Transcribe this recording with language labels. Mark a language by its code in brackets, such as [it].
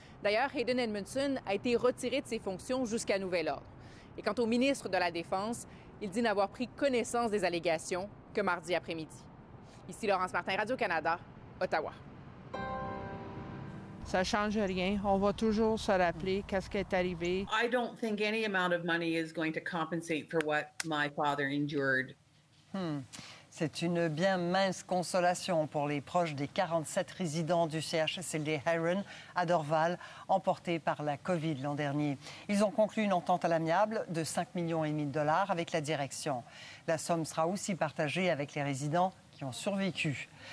[fr] D'ailleurs, Hayden Edmundson a été retiré de ses fonctions jusqu'à nouvel ordre. Et quant au ministre de la Défense, il dit n'avoir pris connaissance des allégations que mardi après-midi. Ici Laurence Martin, Radio-Canada, Ottawa. Ça ne change rien. On va toujours se rappeler qu'est-ce qui est arrivé. [en] I don't think any amount of money is going to compensate for what my father endured. [fr] C'est une bien mince consolation pour les proches des 47 résidents du CHSLD Heron à Dorval, emportés par la COVID l'an dernier. Ils ont conclu une entente à l'amiable de 5,5 millions de dollars avec la direction. La somme sera aussi partagée avec les résidents qui ont survécu.